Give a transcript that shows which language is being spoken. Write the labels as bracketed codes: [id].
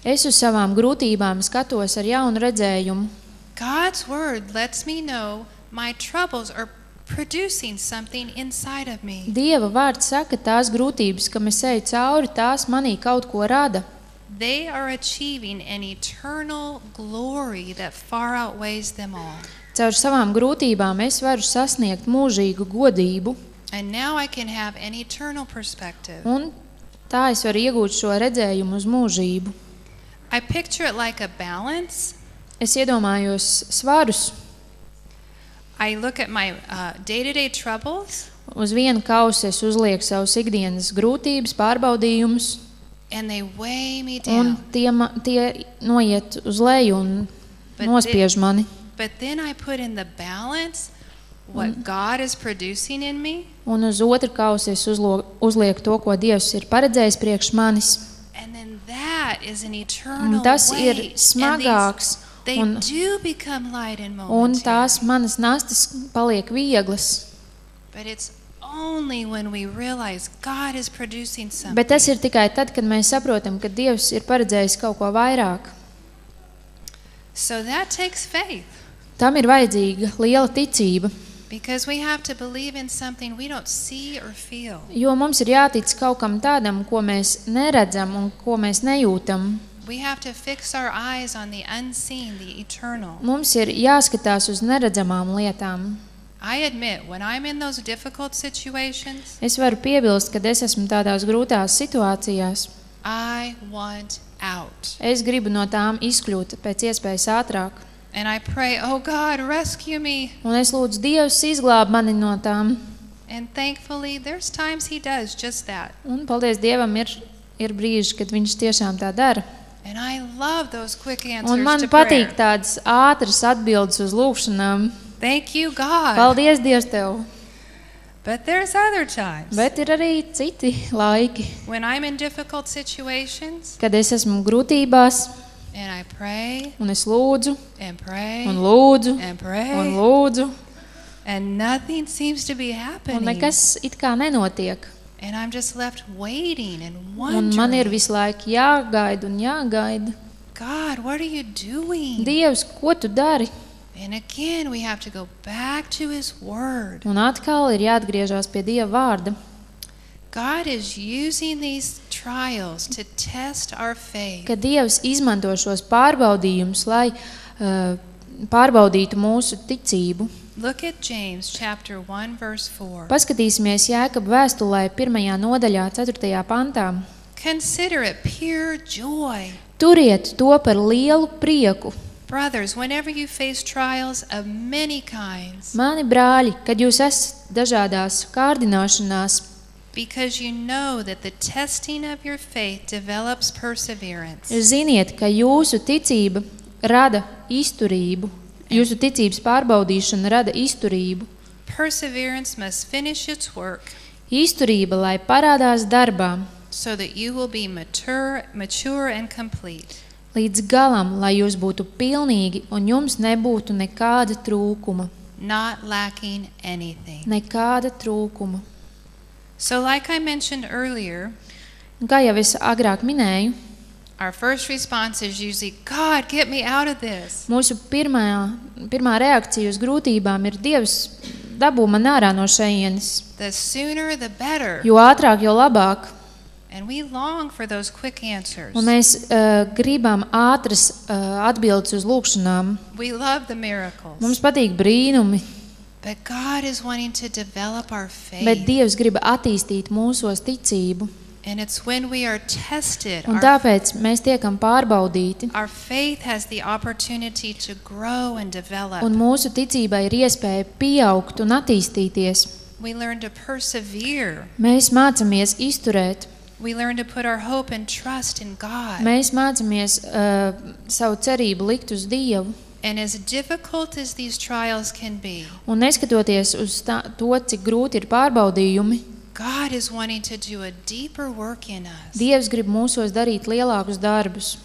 [lv] Es uz savām grūtībām skatos ar jaunu redzējumu. [en] God's word lets me know my troubles are producing something inside of me. [lv] Dieva vārds saka, tās grūtības, kam es eju cauri, tās manī kaut ko rada. [en] They are achieving an eternal glory that far outweighs them all. [lv] Caur savām grūtībām es varu sasniegt mūžīgu godību. [en] And now I can have an eternal perspective. [lv] Un tā es varu iegūt šo redzējumu uz mūžību. [en] I picture it like a balance. [lv] Es iedomājos svarus. [en] I look at my day-to-day troubles. [lv] Uz vienu kausu es uzlieku savus ikdienas grūtības, pārbaudījumus. [en] And they weigh me down. [lv] Un tie noiet uz leju un nospiež mani. [en] But then I put in the balance what God is producing in me. [lv] Un uz otru kausu es uzlieku to, ko Dievs ir paredzējis priekš manis. [en] And then that is an eternal weight. [lv] Un tas ir smagāks. [en] They do become light and momentary. [lv] Un tās manas nastas paliek vieglas. [en] But it's only when we realize God is producing something. [lv] Bet tas ir tikai tad, kad mēs saprotam, ka Dievs ir paredzējis kaut ko vairāk. [en] So that takes faith. [lv] Tam ir vajadzīga liela ticība. [en] Because we have to believe in something we don't see or feel. [lv] Jo mums ir jātic kaut kam tādam, ko mēs neredzam un ko mēs nejūtam. [en] We have to fix our eyes on the unseen, the eternal. [lv] Mums ir jāskatās uz neredzamām lietām. [en] I admit, when I'm in those difficult situations, [lv] es varu piebilst, kad es esmu tādās grūtās situācijās. [en] I want out. [lv] Es gribu no tām izkļūt pēc iespējas ātrāk. [en] And I pray, oh God, rescue me. [lv] Un es lūdzu Dievs izglāb mani no tām. [en] And thankfully, there's times he does just that. [lv] Un paldies Dievam ir brīži, kad viņš tiešām tā dara. [en] And I love those quick answers to prayer. [lv] Un man patīk tādas ātras atbildes uz lūkšanām. [en] Thank you God. [lv] Paldies Dievs tev. [en] But there's other times. [lv] Bet ir arī citi laiki. [en] When I'm in difficult situations. [lv] Kad es esmu grūtībās. [en] And I pray. [lv] Un es lūdzu. [en] And pray. [lv] Un lūdzu. [en] And pray. [lv] Un lūdzu. [en] And nothing seems to be happening. [lv] Un nekas it kā nenotiek. [en] And I'm just left waiting and wondering. [lv] Un man ir visu laiku jāgaida un jāgaida. [en] God, what are you doing? [lv] Dievs, ko tu dari? [en] And again we have to go back to his word. [lv] Un atkal ir jāatgriežas pie Dieva vārda. [en] God is using these trials to test our faith. [lv] Kad Dievs izmanto šos pārbaudījumus, lai pārbaudītu mūsu ticību. [en] Look at James chapter 1 verse 4. [lv] Paskatīsimies Jēkaba vēstulē 1. Nodaļā 4. Pantā. [en] Consider it pure joy. [lv] Turiet to par lielu prieku. [en] Brothers, whenever you face trials of many kinds. [lv] Mani brāļi, kad jūs esat dažādās kārdināšanās. [en] Because you know that the testing of your faith develops perseverance. [lv] Ziniet, ka jūsu ticība rada izturību. Jūsu ticības pārbaudīšana rada izturību. [en] Perseverance must finish its work. [lv] Izturība, lai parādās darbā. [en] So that you will be mature and complete. [lv] Līdz galam, lai jūs būtu pilnīgi un jums nebūtu nekāda trūkuma. [en] Not lacking anything. [lv] Nekāda trūkuma. [en] So like I mentioned earlier, [lv] kā jau es agrāk minēju, [en] our first response is usually, God, get me out of this. [lv] Mūsu pirmā reakcija uz grūtībām ir, Dievs, dabū man ārā no šejienes. [en] The sooner the better. [lv] Jo ātrāk, jo labāk. [en] And we long for those quick answers. [lv] Un mēs gribam ātras atbildes uz lūkšanām. [en] We love the miracles. [lv] Mums patīk brīnumi. [en] But God is wanting to develop our faith. [lv] Bet Dievs grib attīstīt mūsos ticību. [en] And it's when we are tested. [lv] Un tāpēc mēs tiekam pārbaudīti. [en] Our faith has the opportunity to grow and develop. [lv] Un mūsu ticībai ir iespēja pieaugt un attīstīties. [en] We learn to persevere. [lv] Mēs mācāmies izturēt. [en] We learn to put our hope and trust in God. [lv] Mēs mācāmies savu cerību likt uz Dievu. [en] And as difficult as these trials can be. [lv] Un neskatoties uz to, cik grūti ir pārbaudījumi, [en] God is wanting to do a deeper work in us. [lv] Dievs grib mūsos darīt lielākus darbus.